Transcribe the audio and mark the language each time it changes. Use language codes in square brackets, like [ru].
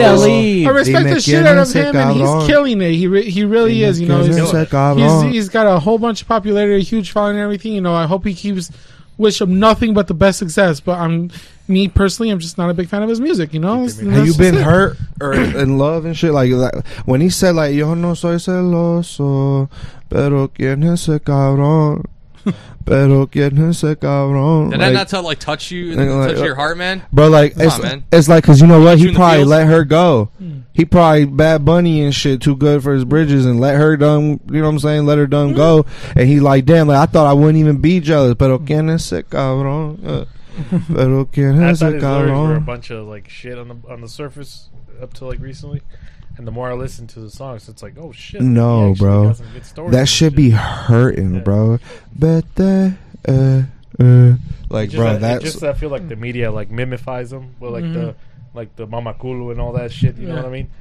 [en] I respect the shit out of him, and he's killing it. He really is. You know, he's got a whole bunch of popularity, a huge following, and everything. You know, I hope he keeps. Wish him nothing but the best success. But I'm just not a big fan of his music. You know, have you been hurt or in love and shit? Like when he said like, [es] "Yo no soy celoso." Pero quien es ese cabrón? Pero quien es ese cabrón? [en] Did I not tell like touch you, touch your heart, man? Bro, like it's like because you know what? He probably let her go. He probably Bad Bunny and shit too good for his bridges and let her done. You know what I'm saying? Let her done go. And he like damn. Like I thought I wouldn't even be jealous. [es] Pero quien es ese cabrón? Pero quien es ese cabrón? [en] I thought his lyrics were a bunch of like shit on the surface up to like recently. And the more I listen to the songs, it's like, oh shit! No, bro, that should be hurting, yeah. Bro. But that, like, just bro, that just I feel like the media like mimifies them with like the mamakulu and all that shit. You know what I mean?